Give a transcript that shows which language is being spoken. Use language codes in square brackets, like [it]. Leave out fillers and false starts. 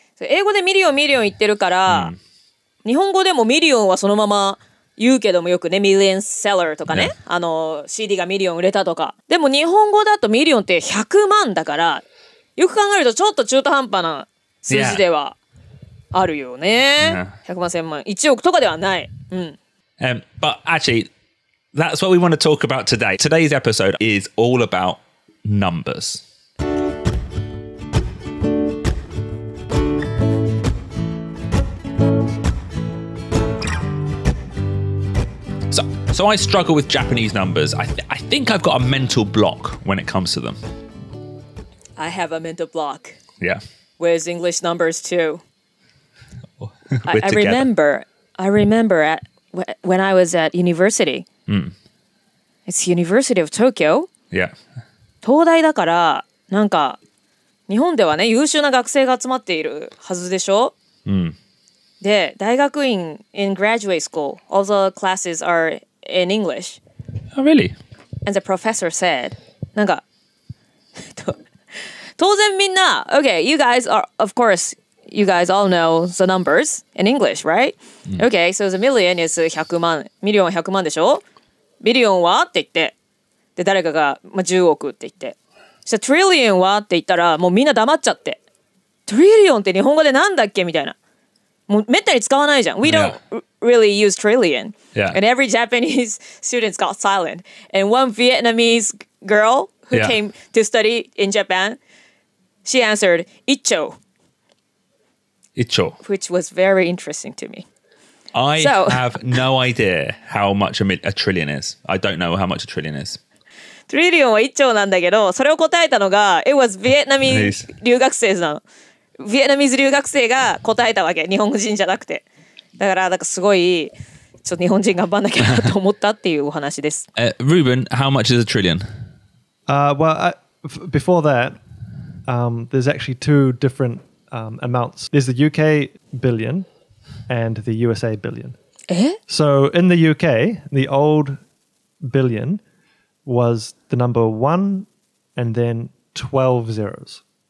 [ja] 英語でミリオン、ミリオン言ってるから、日本語でもミリオンはそのまま言うけどもよくね、ミリオンセラーとかね、あの、CD がミリオン売れたとか。でも日本語だとミリオンって100万だから、よく考えるとちょっと中途半端な数字ではあるよね。 100万、1000万、1億とかではない。 [en] But actually,That's what we want to talk about today. Today's episode is all about numbers. So I struggle with Japanese numbers. I think I've got a mental block when it comes to them. I have a mental block. Yeah. With English numbers too. We're together. I remember at, when I was at university. It's University of Tokyo. Yeah. [ja] 東大だからなんか日本ではね優秀な学生が集まっているはずでしょ。うん。で大学院 [en] in graduate school, all the classes are in English. Oh, really? And the professor said, [ja] なんか当然みんな [en] okay, you guys are of course you guys all know the numbers in English, right?、うん、okay, so the million is 100万、 [ja] ミリオンは100万でしょ。ビリオンはって言って、で誰かが、まあ、10億って言って、そしたらトリリオンはって言ったらもうみんな黙っちゃって、トリリオンって日本語でなんだっけみたいな、もうめったに使わないじゃん。 [en] We don't really use trillion、 yeah. and every Japanese students got silent and one Vietnamese girl who、yeah. came to study in Japan, she answered 1兆 which was very interesting to me I have no idea how much a trillion is. I don't know how much a trillion is. [ja] Trillion は1兆なんだけど、それを答えたのが、 [en] it was Vietnamese [ja] 留学生なの。 Vietnamese 留学生が答えたわけ、日本人じゃなくて。だから、なんかすごい、ちょっと日本人頑張んなきゃなと思ったっていうお話です。 [en] Ruben, how much is a trillion? Well, before that, there's actually two different amounts. There's the UK billion. And the USA billion. So in the UK, the old billion was the number one and then 12 zeros.